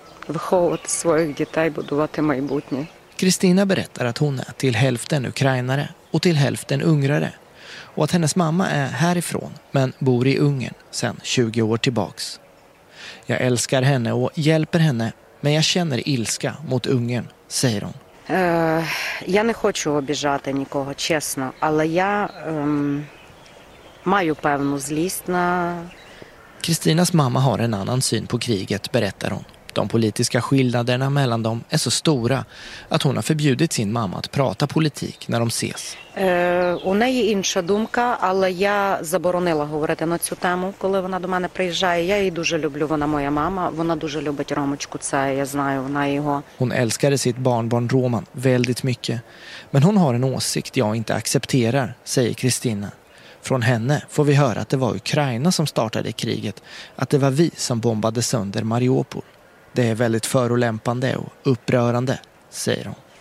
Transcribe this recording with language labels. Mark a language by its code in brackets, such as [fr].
[uk] Viховувати своїх дітей, будувати майбутнє. [sv] Kristina berättar att hon är till hälften ukrainare och till hälften ungrare. Och att hennes mamma är härifrån men bor i Ungern sedan 20 år tillbaks. Jag älskar henne och hjälper henne, men jag känner ilska mot Ungern, säger hon. [uk] Jag не хочу обіжати нікого, чесно, але я маю певну злість на. [sv] Кристинас мамма har en annan syn på kriget, berättar hon. De politiska skillnaderna mellan dem är så stora att hon har förbjudit sin mamma att prata politik när de ses. [uk] У неї інша думка, але я заборонила говорити на цю тему, коли вона до мене приїжджає. Я її дуже люблю, вона моя мама. Вона дуже любить Ромочку, це я знаю, вона його. [sv] Hon älskade sitt barnbarn Roman väldigt mycket. Men hon har en åsikt jag inte accepterar, säger Kristina. Från henne får vi höra att det var Ukraina som startade kriget, att det var vi som bombade sönder Mariupol. Det är väldigt förolämpande och upprörande, säger hon.